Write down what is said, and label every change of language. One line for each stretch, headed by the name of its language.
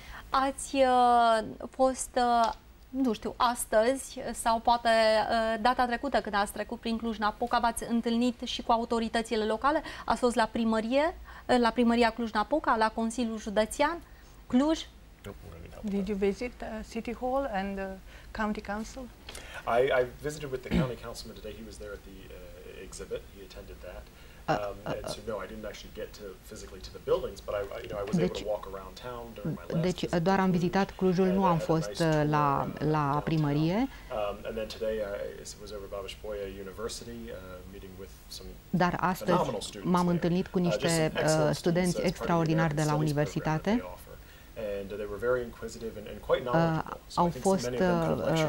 Romanian: Ați fost, nu știu, astăzi sau poate data trecută când ați trecut prin Cluj-Napoca, v-ați întâlnit și cu autoritățile locale? Ați fost la primărie, la primăria Cluj-Napoca, la Consiliul Județean, Cluj?
English: Did you visit City Hall and County Council? I visited with the county councilman today. He was there at the exhibit. He attended that. I didn't actually get to physically to the buildings, but I, you know, I was able to walk around town during my last visit.
Romanian: Deci doar am vizitat Clujul, nu am fost la primărie.
English: And then today I was over Babeș Bojă University, meeting with some.
Romanian: Dar astăzi m-am întâlnit cu niște studenți extraordinari de la universitate.
English: And they were very inquisitive and quite knowledgeable.